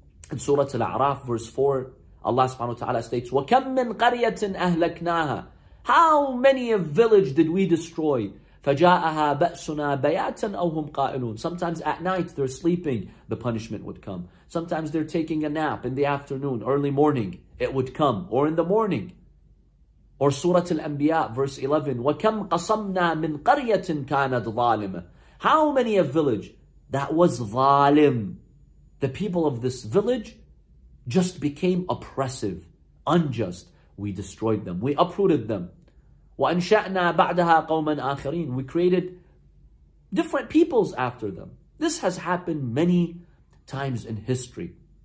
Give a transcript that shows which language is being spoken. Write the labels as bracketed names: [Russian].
[English] In Surah Al-A'raf, verse 4, Allah subhanahu wa ta'ala states, [Arabic] وَكَمْ مِنْ قَرْيَةٍ أَهْلَكْنَاهَا. [English] How many a village did we destroy? [Arabic] فَجَاءَهَا بَأْسُنَا بَيَاتًا أَوْ هُمْ قَائِلُونَ. [English] Sometimes at night they're sleeping, the punishment would come. Sometimes they're taking a nap in the afternoon, early morning, it would come. Or in the morning. Or Surah Al-Anbiya, verse 11, [Arabic] وَكَمْ قَصَمْنَا مِنْ قَرْيَةٍ كَانَتْ ظَالِمًا. [English] How many a village that was ظَالِم. The people of this village just became oppressive, unjust. We destroyed them, we uprooted them. [Arabic] وَأَنْشَأْنَا بَعْدَهَا قَوْمًا آخَرِينَ. [English] We created different peoples after them. This has happened many times in history.